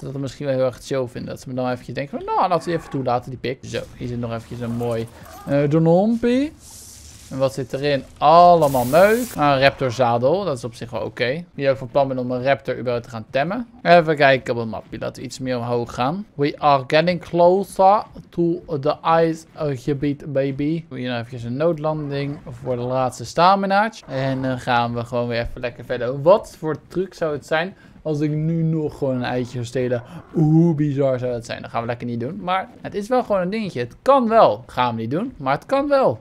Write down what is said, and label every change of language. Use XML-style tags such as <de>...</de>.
<nl>Dat we misschien wel heel erg chill vinden. Dat ze me dan eventjes denken van... Nou, laten we die even toelaten, die pik. Zo, hier zit nog eventjes een mooi donompie. En wat zit erin? Allemaal meuk. Een raptorzadel. Dat is op zich wel oké. Okay. Die ook van plan ben om een raptor überhaupt te gaan temmen. Even kijken op het mapje. Laten we iets meer omhoog gaan.</nl> <en>We are getting closer to the ice gebied, baby.</en> <nl>We hier nou even een noodlanding voor de laatste staminaatje. En dan gaan we gewoon weer even lekker verder. Wat voor truc zou het zijn als ik nu nog gewoon een eitje zou stelen? Hoe bizar zou dat zijn? Dat gaan we lekker niet doen. Maar het is wel gewoon een dingetje. Het kan wel. Gaan we niet doen. Maar het kan wel.</nl>